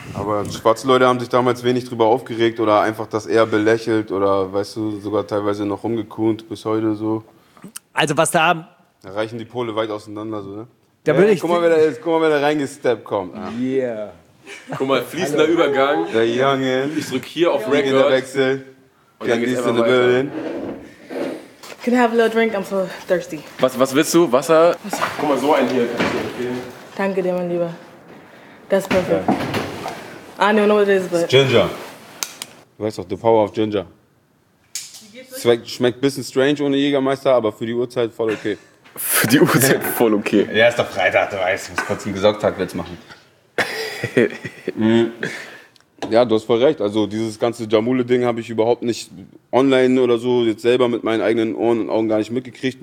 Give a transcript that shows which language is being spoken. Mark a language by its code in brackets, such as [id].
[de] Aber schwarze Leute haben sich damals wenig drüber aufgeregt oder einfach das eher belächelt oder, weißt du, sogar teilweise noch rumgekuhnt bis heute so. Also was da... Da reichen die Pole weit auseinander, so, ne? Da würde ich. Guck mal, wer da reingesteppt kommt. Ja. Yeah. Guck mal, fließender Übergang. Der Youngin. Ich drück hier auf Youngin Record. Der Wechsel. Und dann gehst du in die Berlin. [en] Can I have a little drink? I'm so thirsty. [de] Was willst du? Wasser? Wasser. Guck mal, so ein hier. Danke dir, mein Lieber. [en] That's perfect. Yeah. I don't know what it is, but... It's ginger. [de] Du weißt doch, [en] the power of ginger. [de] Schmeckt ein bisschen strange ohne Jägermeister, aber für die Uhrzeit voll okay. Für die Uhrzeit voll okay. Ja, ist doch Freitag, du weißt. Ich muss kurz einen Gesocktag jetzt machen. Ja, du hast voll recht. Also dieses ganze Jamule-Ding habe ich überhaupt nicht online oder so jetzt selber mit meinen eigenen Ohren und Augen gar nicht mitgekriegt.